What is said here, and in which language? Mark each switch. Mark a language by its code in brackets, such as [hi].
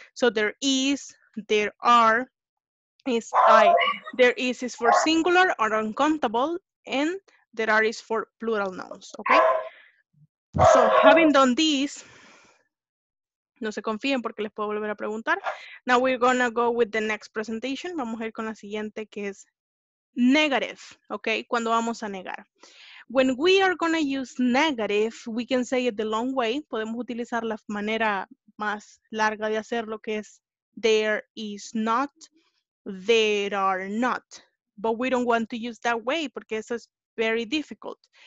[en] So there are, is I. There is for singular or uncountable, and there are is for plural nouns, okay? So having done this, [es] no se confíen porque les puedo volver a preguntar. [en] Now we're going to go with the next presentation. [es] Vamos a ir con la siguiente que es negative. Okay, cuando vamos a negar. [en] When we are going to use negative, we can say it the long way. [es] Podemos utilizar la manera más larga de hacerlo que es there is not, there are not. [en] But we don't want to use that way [es] porque eso es [en] very difficult.